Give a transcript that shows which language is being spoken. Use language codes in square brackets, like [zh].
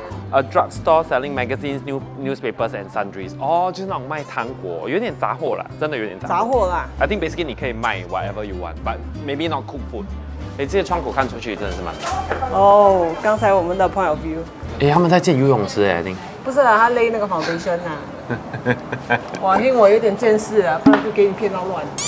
[en] A drug store selling magazines, newspapers and sundries. [zh] Oh, 就是那种卖糖果，有点杂货啦，真的有点杂货。杂货啦。 [en] I think basically [zh] 你可以卖 [en] whatever you want, but maybe not cook food. [zh] 哎，这些窗口看出去真的是蛮。 Oh, 刚才我们的 point of view. 哎，他们在建游泳池哎， [en] I think。 [zh] 不是啦，他勒那个 foundation 啊。哇，因为我有点见识啊，不然就给你骗到乱。